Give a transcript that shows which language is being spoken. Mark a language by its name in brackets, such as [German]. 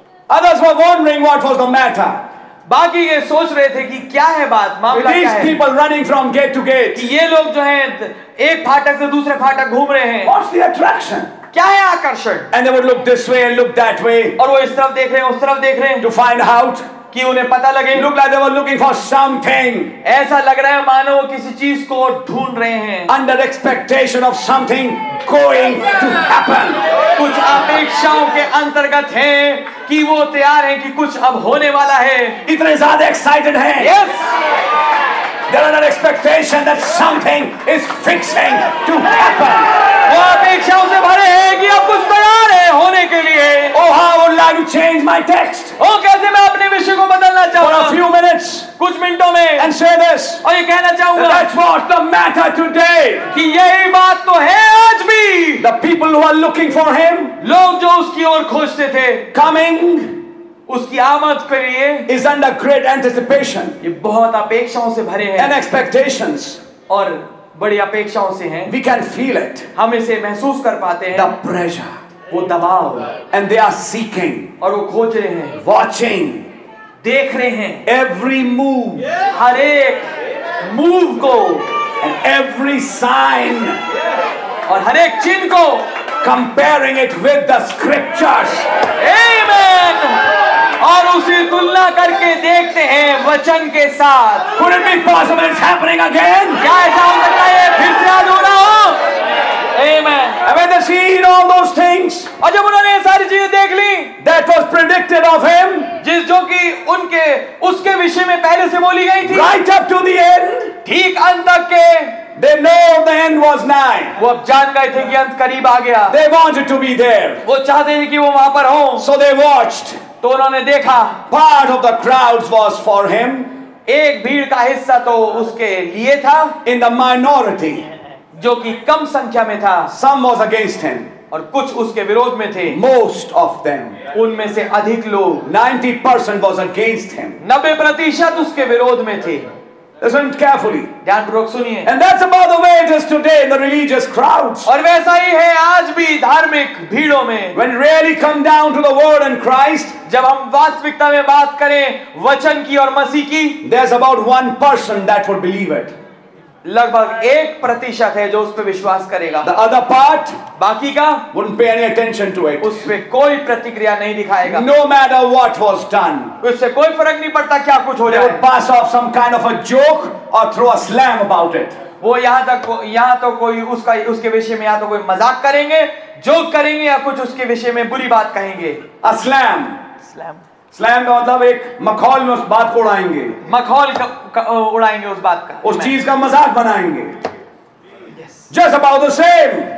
[English] Others were wondering what was the matter. [Hindi] बाकी ये सोच रहे थे कि क्या है बात, मामला क्या है? [English] These people running from gate to gate. [Hindi] ये लोग जो हैं एक फाटक से दूसरे फाटक घूम रहे हैं. [English] What's the attraction? [Hindi] क्या है आकर्षण? [English] And they would look this way and look that way. [Hindi] और वो इस तरफ देख रहे हैं उस तरफ देख रहे हैं. [English] To find out. [Hindi] कि उन्हें पता लगे. [English] Look like they were looking for something. [Hindi] ऐसा लग रहा है मानो वो किसी चीज को ढूंढ रहे हैं. [English] Under expectation of something going to happen. [Hindi] कुछ अपेक्षाओं के अंतर्गत हैं कि वो तैयार हैं कि कुछ अब होने वाला है. इतने ज्यादा एक्साइटेड हैं. [English] Yes. They're under expectation that something is fixing to happen. [Hindi] वो अपेक्षाओं से भरे हैं कि अब कुछ तैयार है होने के लिए. [English] Oh, how I would like to change my text. [Hindi] Oh, कैसे मैं अपने विषय को बदलना चाहूँगा. [English] For a few minutes. [Hindi] कुछ मिनटों में. [English] And say this. [Hindi] और ये कहना चाहूँगा. [English] That's what the matter today. [Hindi] कि यही बात तो है आज भी. [English] The people who are looking for him. [Hindi] लोग जो उसकी ओर खोजते थे. [English] Coming. [Hindi] उसकी आमद के लिए. [English] Is under great anticipation. [Hindi] ये बहुत अपेक्षाओं से भरे हैं. [English] And expectations. [Hindi] और बड़ी अपेक्षाओं से हैं. [English] We can feel it. [Hindi] हम इसे महसूस कर पाते हैं. [English] The pressure. [Hindi] वो दबाव [English] and they are seeking [Hindi] और वो खोज रहे हैं [English] watching [Hindi] देख रहे हैं [English] every move [Hindi] हर एक move को [English] and every sign [Hindi] और हर एक चिन्ह को [English] comparing it with the scriptures [Hindi] amen और उसी तुलना करके देखते हैं वचन के साथ [English] could it be possible it's happening again [Hindi] क्या ऐसा हो सकता है फिर से आज हो रहा हो amen [English] and when they seen all those things [Hindi] और जब उन्होंने सारी चीजें देख ली [English] that was predicted of him [Hindi] जिस जो कि उनके उसके विषय में पहले से बोली गई थी [English] right up to the end [Hindi] ठीक अंत तक के [English] They know the end was nigh. [Hindi] वो अब जान गए थे कि अंत करीब आ गया. [English] They wanted to be there. [Hindi] वो चाहते थे कि वो वहाँ पर हों. [English] So they watched. [Hindi] तो उन्होंने देखा. [English] Part of the crowds was for him. [Hindi] एक भीड़ का हिस्सा तो उसके लिए था. [English] In the minority. [Hindi] जो कि कम संख्या में था. [English] Some was against him. [Hindi] और कुछ उसके विरोध में थे. [English] Most of them. [Hindi] उनमें से अधिक लोग. [English] 90% was against him. [Hindi] 90% उसके विरोध में थे. [English] Listen carefully. [Hindi] ध्यान पूर्वक सुनिए. [English] And that's about the way it is today in the religious crowds. [Hindi] और वैसा ही है आज भी धार्मिक भीड़ों में. [English] When really come down to the word and Christ, [Hindi] जब हम वास्तविकता में बात करें वचन की और मसीह की, [English] there's about 1% that would believe it. [Hindi] लगभग 1% है जो उस पर विश्वास करेगा. [English] The other part, [Hindi] बाकी का, [English] wouldn't pay any attention to it. [Hindi] उस पे कोई प्रतिक्रिया नहीं दिखाएगा. [English] No matter what was done, [Hindi] उससे कोई फर्क नहीं पड़ता क्या कुछ हो जाए. [English] They would pass off some kind of a joke or throw a slam about it. [Hindi] वो यहाँ तक यहाँ तो कोई उसका उसके विषय में यहाँ तो कोई मजाक करेंगे, जोक करेंगे या कुछ उसके विषय में बुरी बात कहेंगे. [English] A slam. Slam. [Hindi] स्लैम का मतलब एक मखौल में उस बात को उड़ाएंगे मखौल उड़ाएंगे उस बात का उस चीज का मजाक बनाएंगे [English] just about the same